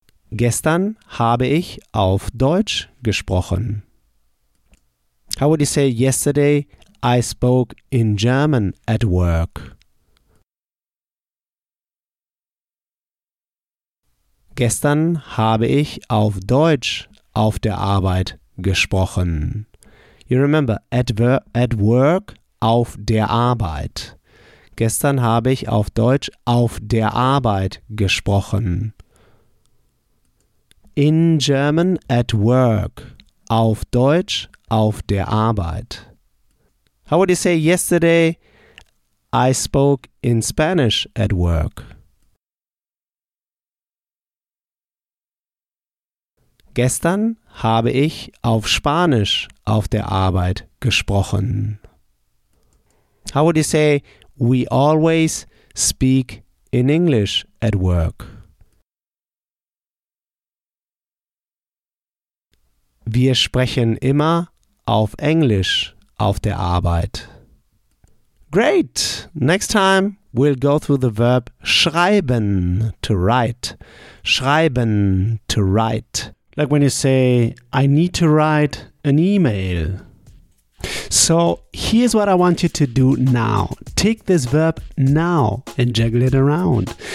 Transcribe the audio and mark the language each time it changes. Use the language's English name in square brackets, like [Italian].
[German] Gestern habe ich auf Deutsch gesprochen. [English] How would you say yesterday I spoke in German at work? [German] Gestern habe ich auf Deutsch auf der Arbeit gesprochen. [English] You remember, at work, [German] auf der Arbeit. Gestern habe ich auf Deutsch auf der Arbeit gesprochen. [English] In German, at work, [German] auf Deutsch, auf der Arbeit. [English] How would you say yesterday, I spoke in Spanish at work? [German] Gestern habe ich auf Spanisch auf der Arbeit gesprochen. [English] How would you say, we always speak in English at work? [German] Wir sprechen immer auf Englisch auf der Arbeit. [English] Great! Next time we'll go through the verb schreiben, to write. Schreiben, to write. Like when you say, I need to write an email. So here's what I want you to do now. Take this verb now and juggle it around.